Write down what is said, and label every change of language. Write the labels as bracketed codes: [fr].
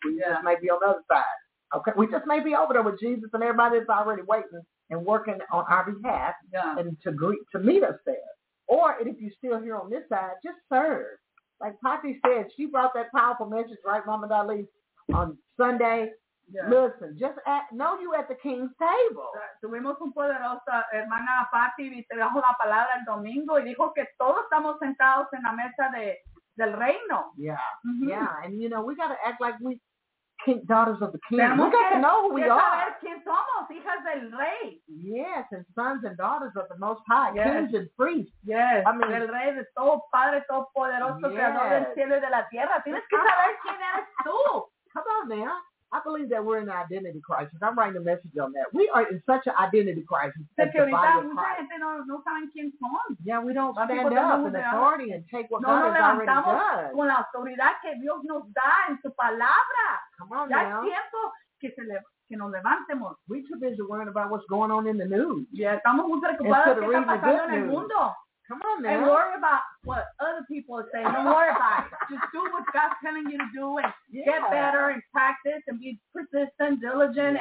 [en] We just may be on the other side. Okay. We just may be over there with Jesus and everybody that's already waiting and working on our behalf and to meet us there. Or if you're still here on this side, just serve. Like Poppy said, she brought that powerful message, right, Mama Dali, on Sunday. Yeah. Listen, just know you at the king's table. [es] Tuvimos un poderoso hermana Patty y trajo la palabra el domingo y dijo que todos estamos sentados en la mesa del reino. [en] Yeah, mm-hmm. yeah, and you know, we got to act like we're daughters of the king. We got to know who we are. [es] Saber quién somos, hijas del rey. [en] Yes, and sons and daughters of the most high, yes. kings and priests. Yes, I mean, [es] el rey de todo padre, todo poderoso, [en] yes. [es] creador del cielo y de la tierra. Tienes que saber quién eres tú. [en] Come on, man. I believe means that we're in an identity crisis. I'm writing a message on that. We are in such an identity crisis. [es] Porque ahorita mucha gente no saben quién son. [en] Yeah, we don't stand up in authority and take what God has already done. [es] No, levantamos con la autoridad que Dios nos da en su palabra. [en] Come on [es] ya [en] now. [es] Ya es tiempo que se le... que nos levantemos. [en] We too busy worrying about what's going on in the news. [es] Yeah, estamos muy preocupados de qué está pasando en el mundo. [en] Come on, man. And worry about what other people are saying. Don't worry about it. Just do what God's telling you to do and yeah. get better and practice and be persistent, diligent,